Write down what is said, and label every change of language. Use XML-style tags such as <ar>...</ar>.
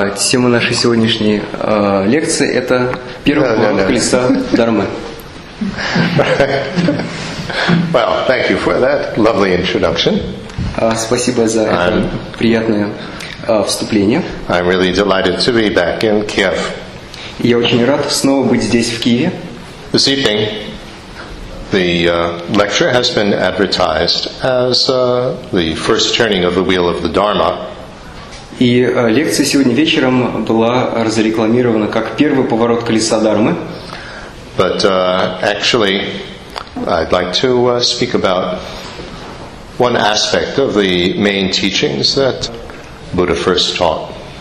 <ru>Тема нашей сегодняшней лекции – это первое колесо дармы.</ru> <en>Well, thank you for that lovely introduction.</en> <ru>Спасибо за это приятное вступление.</ru> <en>I'm really delighted to be back in Kiev.</en> <ru>Я очень рад снова быть здесь, в Киеве.</ru> <en>This evening, the lecture has been advertised as the first turning of the wheel of the Dharma.</en> <ru>И лекция сегодня вечером была разрекламирована как первый поворот колеса дармы.</ru> <en>But actually, I'd like to speak about one aspect of the main teachings that Buddha first taught.</en>